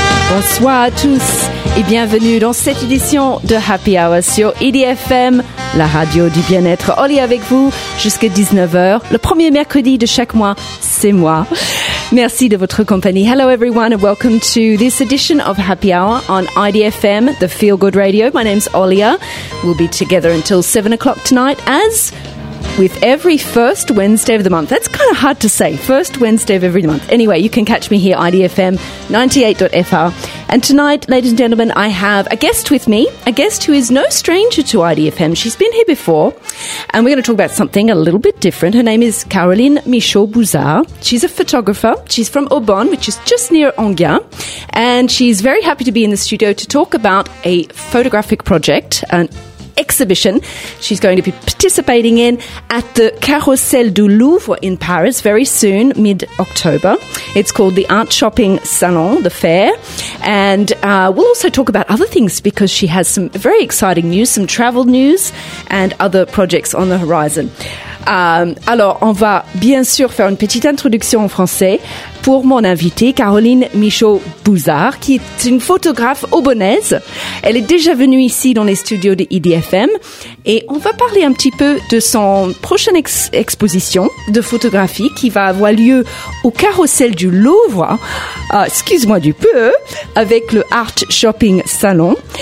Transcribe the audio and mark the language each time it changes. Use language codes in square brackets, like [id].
[fr] Bonsoir à tous et bienvenue dans cette édition de Happy Hour sur EDFM, la radio du bien-être. Oli avec vous jusqu'à 19h, le premier mercredi de chaque mois, c'est moi. Merci de votre compagnie. [en] Hello everyone and welcome to this edition of Happy Hour on IDFM, the Feel Good Radio. My name's Olia. We'll be together until 7 o'clock tonight, as with every first Wednesday of the month. That's kind of hard to say, first Wednesday of every month. Anyway, you can catch me here, IDFM 98.fr. And tonight, ladies and gentlemen, I have a guest with me, a guest who is no stranger to IDFM. She's been here before, and we're going to talk about something a little bit different. Her name is Caroline Michaud-Bouzard. She's a photographer. She's from Aubonne, which is just near Enghien. And she's very happy to be in the studio to talk about a photographic project, an exhibition she's going to be participating in at the Carousel du Louvre in Paris very soon, mid-October. It's called the Art Shopping Salon, the fair. And we'll also talk about other things because she has some very exciting news, some travel news and other projects on the horizon. [fr] Alors, on va bien sûr faire une petite introduction en français pour mon invitée, Caroline Michaud-Bouzard, qui est une photographe aubonnaise. Elle est déjà venue ici dans les studios de IDFM et on va parler un petit peu de son prochaine exposition de photographie qui va avoir lieu au Carousel du Louvre, excuse-moi du peu, avec le Art Shopping Salon.